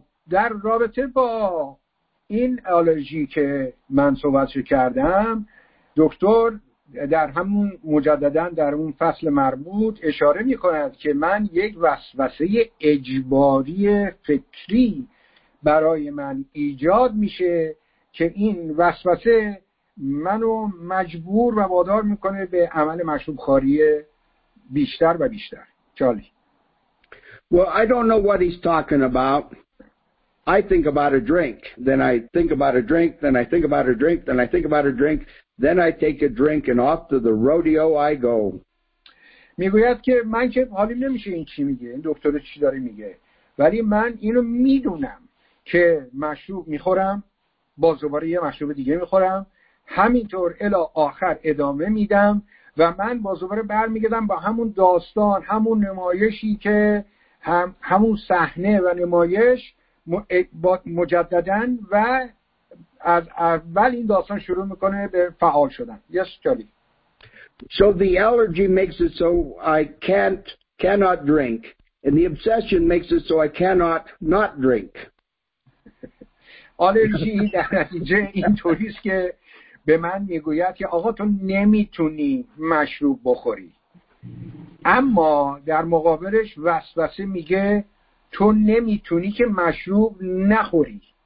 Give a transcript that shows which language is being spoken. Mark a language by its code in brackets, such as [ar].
[fa] در رابطه با این آلرژی که من صحبت کردم، دکتر در همون مجدداً در اون فصل مربوط اشاره می کند که من یک وسوسه اجباری فکری برای من ایجاد میشه که این وسوسه منو مجبور و وادار میکنه به عمل مشروب خواری بیشتر و بیشتر. [en] چالی. Well, I don't know what he's talking about. I think about a drink, then I think about a drink, then I think about a drink, then I think about a drink, then I take a drink and off to the rodeo I go. [fa] میگوید که من که حالیم نمیشه این چی میگه، این دکتر چی داره میگه، ولی من اینو میدونم که مشروب میخورم، باز دوباره یه مشروب دیگه میخورم، همینطور الی آخر ادامه میدم و من باز دوباره برمیگردم با همون داستان، همون نمایشی که همون صحنه و نمایش مجدداً و از اول این داستان شروع میکنه به فعال شدن. [en] Yes, Charlie. So the allergy makes it so I cannot drink and the obsession makes it so I cannot not drink. [fa] آلرژی در نتیجه این طوریست که به من میگوید که آقا تو نمیتونی مشروب بخوری، اما در مقابلش وسوسه میگه تو نمیتونی که مشروب نخوری.